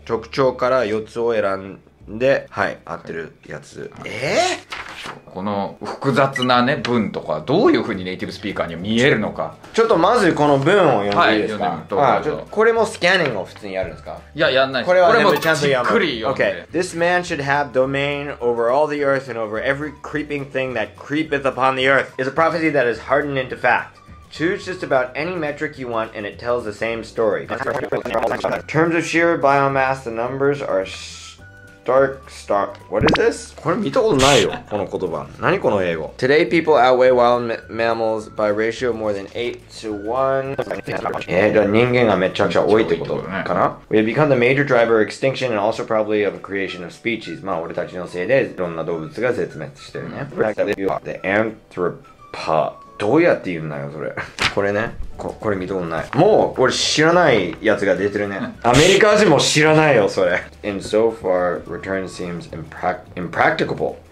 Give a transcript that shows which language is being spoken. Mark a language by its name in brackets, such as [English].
[Japanese] 特徴から4つを選んでで、はい、合ってるやつ、はい、この複雑なね文とかどういう風にネイティブスピーカーに見えるのか、ちょっとまずこの文を読んでいいですか。はい、読んでみると、はい、ちょっとこれもスキャニングを普通にやるんですか。いや、やんないです。これは全部ちゃんと読む、これもじっくり読んで、 [English] okay. This man should have domain over all the earth and over every creeping thing that creepeth upon the earth is a prophecy that is hardened into factChoose just about any metric you want and it tells the same story. In terms of sheer biomass, the numbers areStark. What is this? [Japanese] これ見たことないよ、この言葉。何この英語。 [English] Today people outweigh wild mammals by ratio more than 8 to 1. [Japanese] 人間がめちゃくちゃ多いってことかな。 [English] We have become the major driver of extinction and also probably of creation of species. [Japanese] まあ俺たちのせいでいろんな動物が絶滅してるね。 [English] The anthropa. [Japanese] どうやって言うんだよそれ。これね、これ見たことない。もう俺知らないやつが出てるね。アメリカ人も知らないよそれ。 [English] In so far, return seems impracticable.